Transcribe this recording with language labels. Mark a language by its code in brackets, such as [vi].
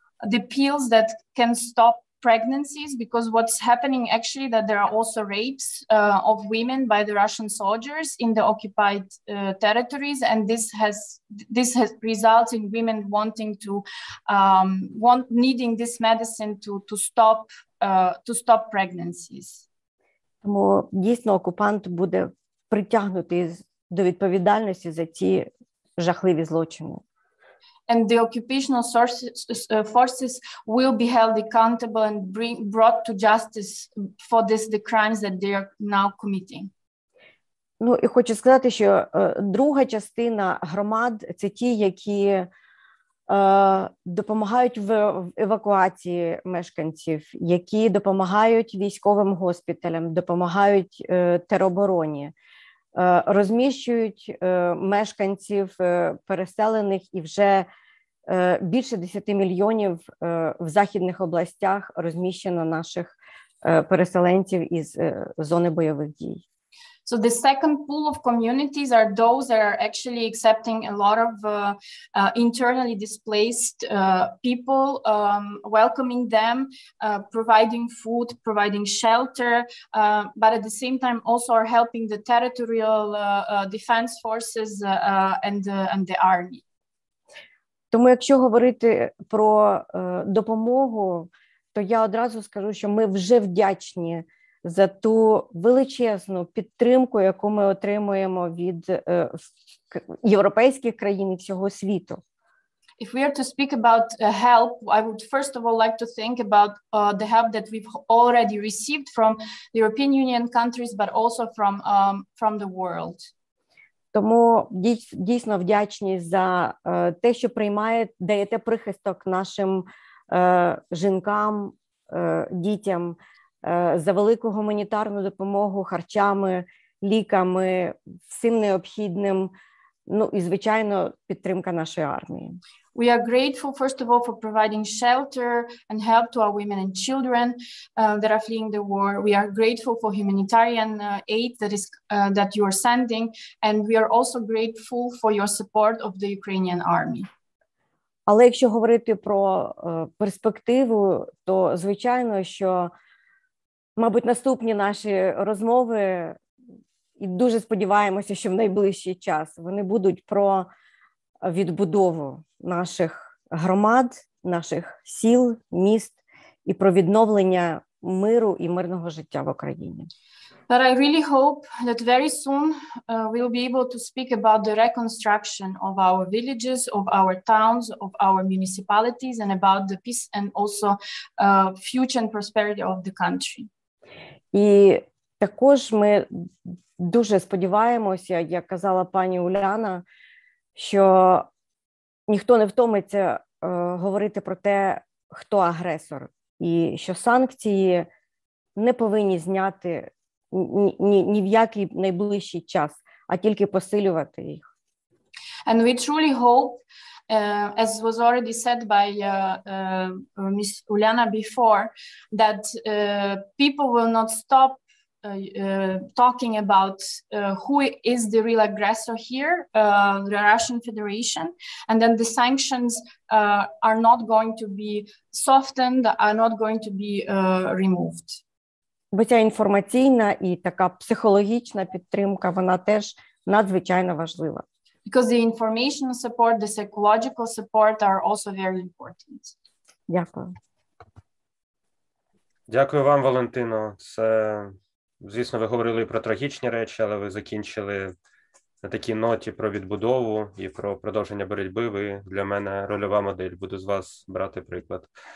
[en] the pills that can stop pregnancies, because what's happening actually that there are also rapes of women by the Russian soldiers in the occupied territories, and this has resulted in women wanting to needing this medicine to stop pregnancies. [uk] Тому дійсно окупант буде притягнутий до відповідальності за ці жахливі злочини. [en] And the occupational forces will be held accountable and brought to justice for the crimes that they are now committing. [uk] Ну, і хочу сказати, що друга частина громад – це ті, які допомагають в евакуації мешканців, які допомагають військовим госпіталям, допомагають теробороні, розміщують мешканців переселених і вже більше 10 мільйонів в західних областях розміщено наших переселенців із зони бойових дій. [en] So the second pool of communities are those that are actually accepting a lot of internally displaced people, welcoming them, providing food, providing shelter, but at the same time also are helping the territorial defense forces and the army. [uk] Тому якщо говорити про допомогу, то я одразу скажу, що ми вже вдячні за ту величезну підтримку, яку ми отримуємо від європейських країн і всього світу. [en] If we are to speak about help, I would first of all like to think about the help that we've already received from the European Union countries, but also from the world. [uk] Тому дійсно вдячні за те, що даєте прихисток нашим жінкам, дітям, за велику гуманітарну допомогу харчами, ліками, всім необхідним, ну і, звичайно, підтримка нашої армії. [en] We are grateful, first of all, for providing shelter and help to our women and children that are fleeing the war. We are grateful for humanitarian aid that you are sending, and we are also grateful for your support of the Ukrainian army. [uk] Але якщо говорити про перспективу, то звичайно, що, мабуть, наступні наші розмови, і дуже сподіваємося, що в найближчий час вони будуть про відбудову наших громад, наших сіл, міст і про відновлення миру і мирного життя в Україні. [en] But I really hope that very soon we'll be able to speak about the reconstruction of our villages, of our towns, of our municipalities, and about the peace and also future and prosperity of the country. [uk] І також ми дуже сподіваємося, як казала пані Уляна, що ніхто не втомиться говорити про те, хто агресор, і що санкції не повинні зняти ні в який найближчий час, а тільки посилювати їх. [en] And we truly hope, as was already said by Ms. Ulyana before, that people will not stop talking about who is the real aggressor here, the Russian Federation, and then the sanctions are not going to be softened, are not going to be removed. [uk] Бо ця інформаційна і така психологічна підтримка, вона теж надзвичайно важлива. [en] Because the information support, the psychological support are also very important. [uk] Дякую. Дякую вам, Валентино. Це, звісно, ви говорили про трагічні речі, але ви закінчили на такій ноті про відбудову і про продовження боротьби. Ви для мене рольова модель, буду з вас брати приклад.